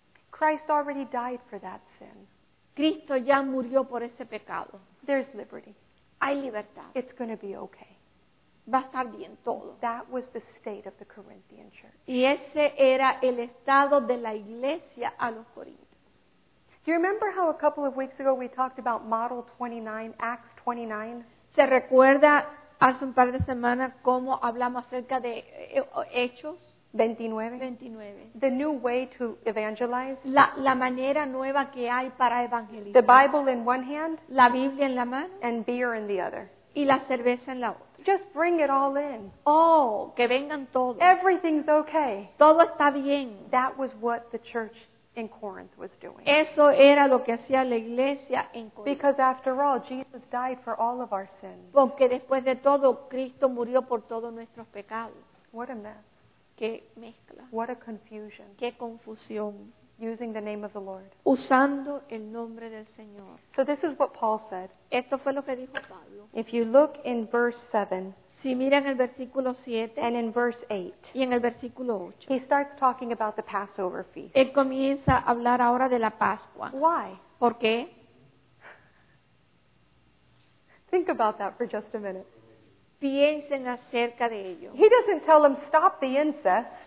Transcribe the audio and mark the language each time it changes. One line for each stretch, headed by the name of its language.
English: Christ already died for that sin.
Spanish: Cristo ya murió por ese pecado.
English: There's liberty.
Spanish: Hay libertad.
English: It's going to be okay.
Spanish: Va a estar bien todo.
English: That was the state of the Corinthian church.
Spanish: Y ese era el estado de la iglesia a los Corintios.
English: Do you remember how a couple of weeks ago we talked about Model 29, Acts 29?
Spanish: ¿Se recuerda hace un par de semanas cómo hablamos acerca de Hechos?
English: 29. The new way to evangelize.
Spanish: La manera nueva que hay para evangelizar.
English: The Bible in one hand.
Spanish: La Biblia en la mano.
English: And beer in the other.
Spanish: Y la cerveza en la otra.
English: Just bring it all in.
Spanish: Oh, que vengan todos.
English: Everything's okay.
Spanish: Todo está bien.
English: That was what the church in Corinth was doing.
Spanish: Eso era lo que hacía la iglesia en Corinto.
English: Because after all, Jesus died for all of our sins.
Spanish: Porque después de todo, Cristo murió por todos nuestros pecados.
English: What a mess.
Spanish: Qué mezcla.
English: What a confusion.
Spanish: Qué confusión.
English: Using the name of the Lord.
Spanish: Usando el nombre del Señor.
English: So this is what Paul said.
Spanish: Esto fue lo que dijo Pablo.
English: If you look in verse 7.
Spanish: Si miran el versículo 7.
English: And in verse 8.
Spanish: Y en el versículo 8.
English: He starts talking about the Passover feast.
Spanish: Él comienza a hablar ahora de la Pascua.
English: Why?
Spanish: ¿Por qué?
English: Think about that for just a minute.
Spanish: Piensen acerca de ello.
English: He doesn't tell them stop the incest.